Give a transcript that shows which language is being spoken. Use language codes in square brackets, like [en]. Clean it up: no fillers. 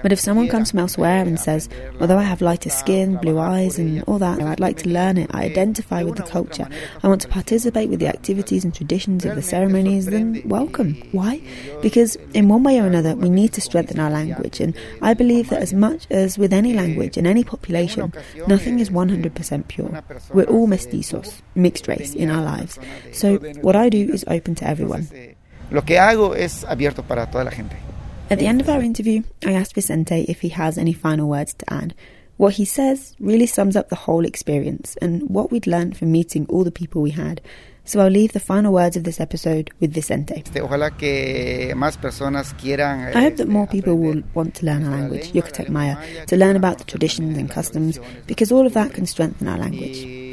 [en] But if someone comes from elsewhere and says, although I have lighter skin, blue eyes, and all that, I'd like to learn it, I identify with the culture, I want to participate with the activities and traditions of the ceremonies, then welcome. Why? Because in one way or another, that we need to strengthen our language, and I believe that as much as with any language and any population, nothing is 100% pure. We're all mestizos, mixed race, in our lives. So what I do is open to everyone. [es] Lo que hago es abierto para toda la gente. [en] At the end of our interview, I asked Vicente if he has any final words to add. What he says really sums up the whole experience and what we'd learned from meeting all the people we had. So I'll leave the final words of this episode with Vicente. I hope that more people will want to learn our language, Yucatec Maya, to learn about the traditions and customs, because all of that can strengthen our language.